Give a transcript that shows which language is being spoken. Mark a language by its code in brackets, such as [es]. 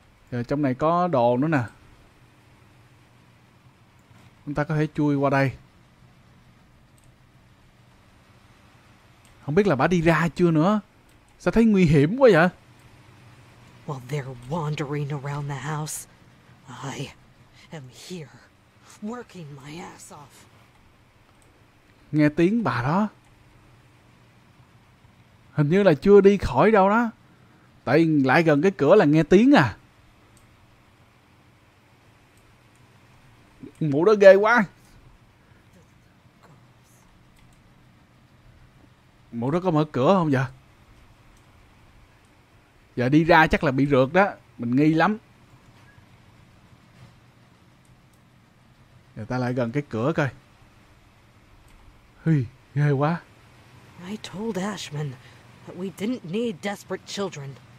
[vi] Giờ trong này có đồ nữa nè. Chúng ta có thể chui qua đây. Không biết là bà đi ra chưa nữa. Sao thấy nguy hiểm quá vậy? [en] While they're wandering around the house, I... I'm here, working my ass off. [vi] Nghe tiếng bà đó. Hình như là chưa đi khỏi đâu đó. Tại lại gần cái cửa là nghe tiếng à. Mũ đó ghê quá. Mũ đó có mở cửa không vậy? Giờ đi ra chắc là bị rượt đó. Mình nghi lắm. Người ta lại gần cái cửa coi. Hi, ghê quá. [en] I told Ashman that we didn't need desperate children.